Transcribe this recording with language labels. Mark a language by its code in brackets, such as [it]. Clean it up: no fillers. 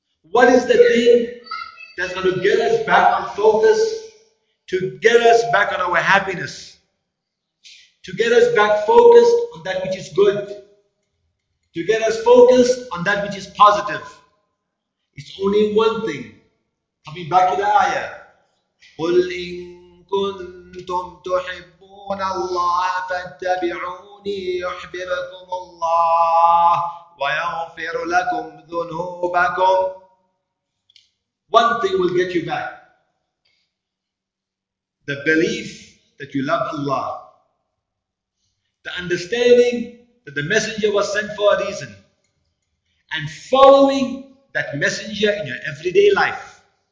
[en] What is the thing that's going to get us back on focus, to get us back on our happiness, to get us back focused on that which is good, to get us focused on that which is positive? It's only one thing. Coming back to the ayah, [ar] قُلْ إِن كُنْتُمْ تُحِبُّونَ اللَّهَ فَاتَّبِعُونِي يُحْبِبْكُمُ اللَّهُ وَيَغْفِرُ لَكُمْ ذُنُوبَكُمْ. [en] One thing will get you back. The belief that you love Allah. The understanding that the messenger was sent for a reason. And following that messenger in your everyday life.